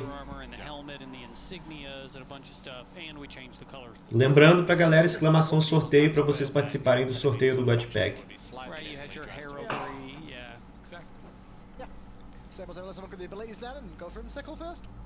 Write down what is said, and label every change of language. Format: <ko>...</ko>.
<en>The armor and the helmet and the insignias and a bunch of stuff, and we changed the color.</en> <pt>Lembrando pra galera, exclamação sorteio pra vocês participarem do sorteio do God Pack.</pt> <en>Right, you had your heraldry, yeah. Exactly. Yeah. Sickle, let's look at the abilities then and go for him sickle first.</en>